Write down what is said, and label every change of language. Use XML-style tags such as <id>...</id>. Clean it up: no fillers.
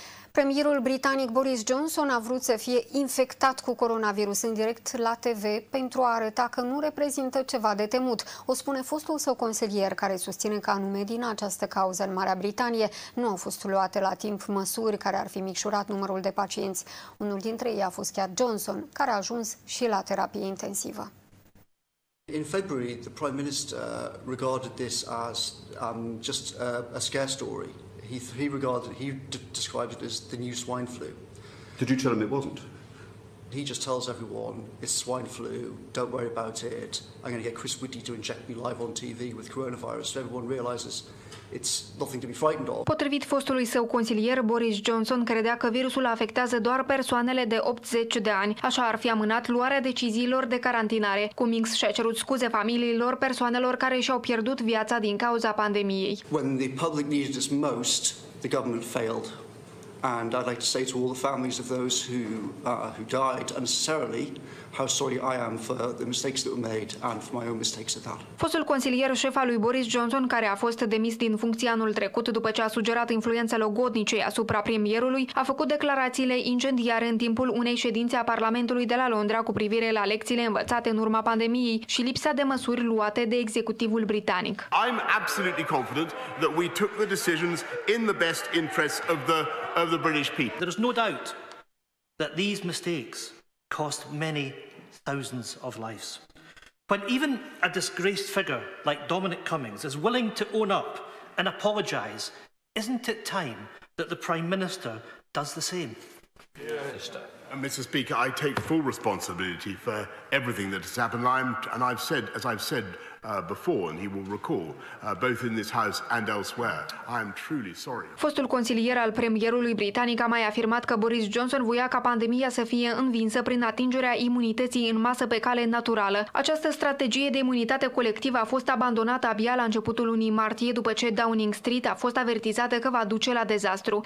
<ro>Premierul britanic Boris Johnson a vrut să fie infectat cu coronavirus în direct la TV pentru a arăta că nu reprezintă ceva de temut. O spune fostul său consilier, care susține că anume din această cauză în Marea Britanie nu au fost luate la timp măsuri care ar fi micșurat numărul de pacienți. Unul dintre ei a fost chiar Johnson, care a ajuns și la terapie intensivă.</ro> <en>In February, the Prime Minister regarded this as just a scare story. He described it as the new swine flu. Did you tell him it wasn't? He just tells everyone, it's swine flu, don't worry about it. I'm going to get Chris Whitty to inject me live on TV with coronavirus, so everyone realizes it's nothing to be frightened of.</en> <ro>Potrivit fostului său consilier, Boris Johnson credea că virusul afectează doar persoanele de 80 de ani. Așa ar fi amânat luarea deciziilor de carantinare. Cummings și-a cerut scuze familiilor persoanelor care și-au pierdut viața din cauza pandemiei.</ro> <en>When the public needed us most, the government failed. And I'd like to say to all the families of those who died unnecessarily, how sorry I am for the mistakes that were made and for my own mistakes at that.</en> <ro>Fostul consilier șef al lui Boris Johnson, care a fost demis din funcție anul trecut după ce a sugerat influența logodnicei asupra premierului, a făcut declarațiile incendiare în timpul unei ședințe a Parlamentului de la Londra cu privire la lecțiile învățate în urma pandemiei și lipsa de măsuri luate de executivul britanic.</ro> <en>I'm absolutely confident that we took the decisions in the best interests of the British people. There is no doubt that these mistakes cost many thousands of lives. When even a disgraced figure like Dominic Cummings is willing to own up and apologise, isn't it time that the Prime Minister does the same? Yeah. Mr. Speaker, I take full responsibility for everything that has happened. I've said before, and he will recall, both in this house and elsewhere, I am truly sorry.</en> <ro>Fostul consilier al premierului britanic a mai afirmat că Boris Johnson voia ca pandemia să fie învinsă prin atingerea imunității în masă pe cale naturală. Această strategie de imunitate colectivă a fost abandonată abia la începutul lunii martie, după ce Downing Street a fost avertizată că va duce la dezastru.</ro>